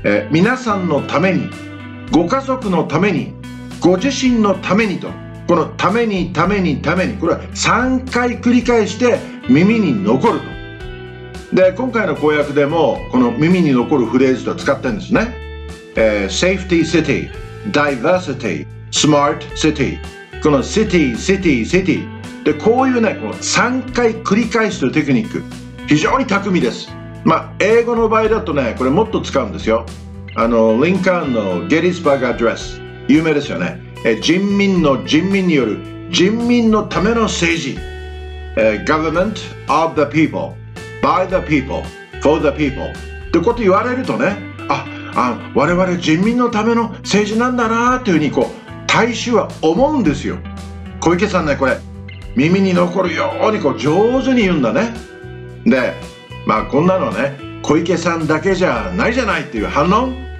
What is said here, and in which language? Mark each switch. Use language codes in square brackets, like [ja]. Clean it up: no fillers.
[ja] 皆さんのために、ご家族のために、ご自身のためにと。このために、ために、ために。これは3回繰り返して耳に残ると。で、今回の公約でも、この耳に残るフレーズと使ってるんですね。 [en] safety city, diversity, smart city. [ja] この [en] city, city, city. [ja] で、こういうね、この3回繰り返すというテクニック。非常に巧みです。まあ、英語の場合だとね、これもっと使うんですよ。リンカーンのゲティスバーグアドレス。有名ですよね。人民の人民による人民のための政治。 [en] government of the people, by the people, for the people. [ja] ってこと言われるとね、我々人民のための政治なんだなっていうふうにこう大衆は思うんですよ。小池さんね、これ耳に残るようにこう上手に言うんだね。で、まあこんなのね、小池さんだけじゃないじゃないっていう反論。